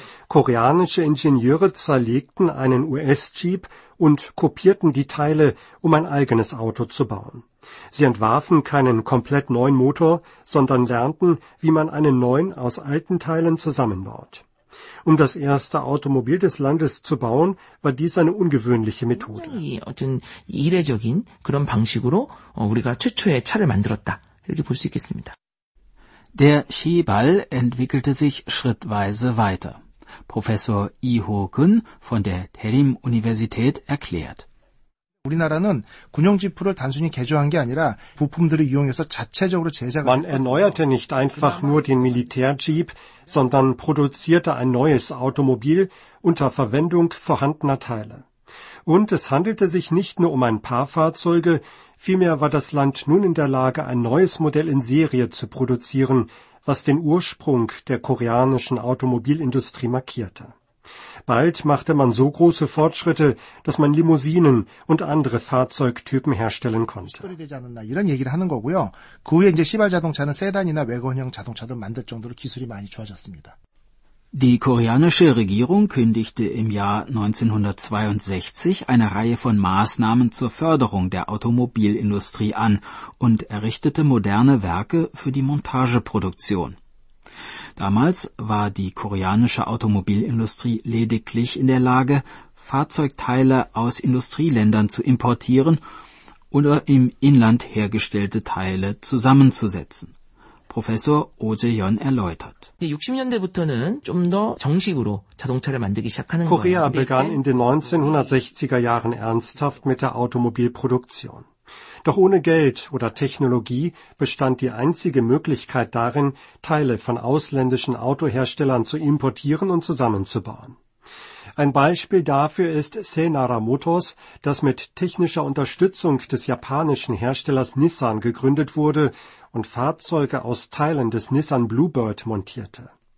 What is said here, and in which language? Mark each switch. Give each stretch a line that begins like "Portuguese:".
German: Koreanische Ingenieure zerlegten einen US-Jeep und kopierten die Teile, um ein eigenes Auto zu bauen. Sie entwarfen keinen komplett neuen Motor, sondern lernten, wie man einen neuen aus alten Teilen zusammenbaut. Um das erste Automobil des Landes zu bauen, war dies eine ungewöhnliche Methode.
Korean: 어떤 이례적인 그런 방식으로 우리가 최초의 차를 만들었다. 이렇게 볼 수 있겠습니다.
German: Der Chebal entwickelte sich schrittweise weiter. Professor Lee Ho-gun von der Daerim-Universität erklärt.
Korean: 우리나라는 군용 지프를 단순히 개조한 게 아니라 부품들을 이용해서 자체적으로 제작을
German: Man erneuerte nicht einfach nur den Militärjeep, sondern produzierte ein neues Automobil unter Verwendung vorhandener Teile. Und es handelte sich nicht nur um ein paar Fahrzeuge, vielmehr war das Land nun in der Lage, ein neues Modell in Serie zu produzieren, was den Ursprung der koreanischen Automobilindustrie markierte. Bald machte man so große Fortschritte, dass man Limousinen und andere Fahrzeugtypen herstellen konnte.
Korean: 시도되지 않았나 이런 얘기를 하는 거고요. 그 후에 이제 시발 자동차는 세단이나 외관형 자동차도 만들 정도로 기술이 많이 좋아졌습니다.
German: Die koreanische Regierung kündigte im Jahr 1962 eine Reihe von Maßnahmen zur Förderung der Automobilindustrie an und errichtete moderne Werke für die Montageproduktion. Damals war die koreanische Automobilindustrie lediglich in der Lage, Fahrzeugteile aus Industrieländern zu importieren oder im Inland hergestellte Teile zusammenzusetzen. Professor Oje-yeon erläutert.
Korean: 60년대부터는 좀 더 정식으로 자동차를 만들기 시작하는 거예요.
German: Korea begann in den 1960er Jahren ernsthaft mit der Automobilproduktion. Doch ohne Geld oder Technologie bestand die einzige Möglichkeit darin, Teile von ausländischen Autoherstellern zu importieren und zusammenzubauen. Ein Beispiel dafür ist Senara Motors, das mit technischer Unterstützung des japanischen Herstellers Nissan gegründet wurde und Fahrzeuge aus Teilen des Nissan Bluebird montierte.